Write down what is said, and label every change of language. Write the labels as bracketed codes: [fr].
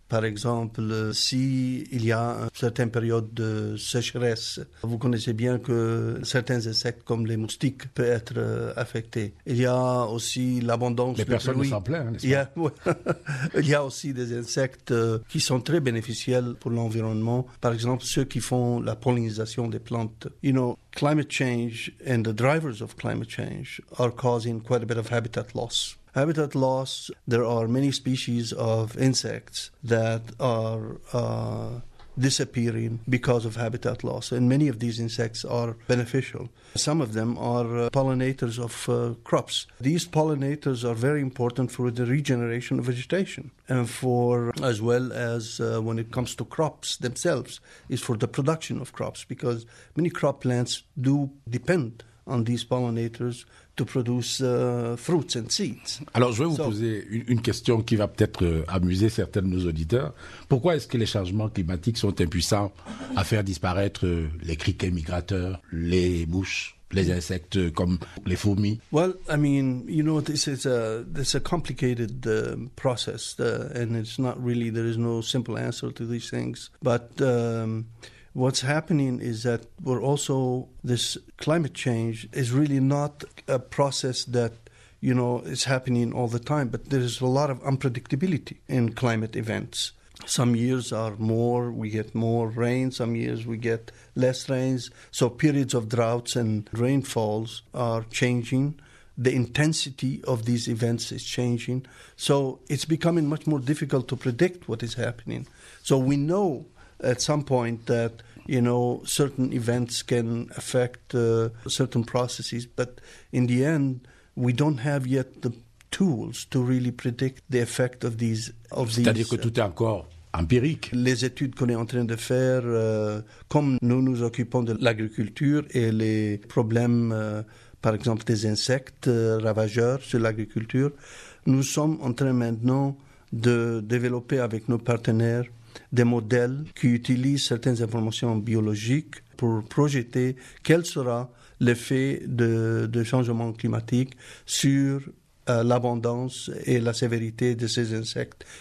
[fr] Par exemple, s'il y a une certaine période de sécheresse, vous connaissez bien que certains insectes comme les moustiques peuvent être affectés. Il y a aussi l'abondance de pluie. Les personnes s'en plaignent, n'est-ce pas? Il y a aussi des insectes qui sont très bénéficiels pour l'environnement. Par exemple, ceux qui font la pollinisation des plantes. [en] You know, climate change and the drivers of climate change are causing quite a bit of habitat loss. Habitat loss, there are many species of insects that are disappearing because of habitat loss. And many of these insects are beneficial. Some of them are pollinators of crops. These pollinators are very important for the regeneration of vegetation. And for, as well as when it comes to crops themselves, is for the production of crops. Because many crop plants do depend on these pollinators to produce fruits and seeds. [fr] Alors, je vais vous poser une question qui va peut-être amuser certains de nos auditeurs. Pourquoi est-ce que les changements climatiques sont impuissants à faire disparaître les criquets migrateurs, les mouches, les insectes comme les fourmis? [en] Well, I mean, you know, this is a complicated process, and it's not really, there is no simple answer to these things. But what's happening is that we're also, this climate change is really not a process that, you know, is happening all the time, but there is a lot of unpredictability in climate events. Some years are more, we get more rain. Some years we get less rains. So periods of droughts and rainfalls are changing. The intensity of these events is changing. So it's becoming much more difficult to predict what is happening. So we know at some point that, you know, certain events can affect certain processes. But in the end, we don't have yet the tools to really predict the effect of these. [fr] C'est-à-dire que tout est encore empirique. Les études qu'on est en train de faire, comme nous nous occupons de l'agriculture et les problèmes, par exemple, des insectes ravageurs sur l'agriculture, nous sommes en train maintenant de développer avec nos partenaires des modèles qui utilisent certaines informations biologiques pour projeter quel sera l'effet de changement climatique sur l'abondance et la sévérité de ces insectes.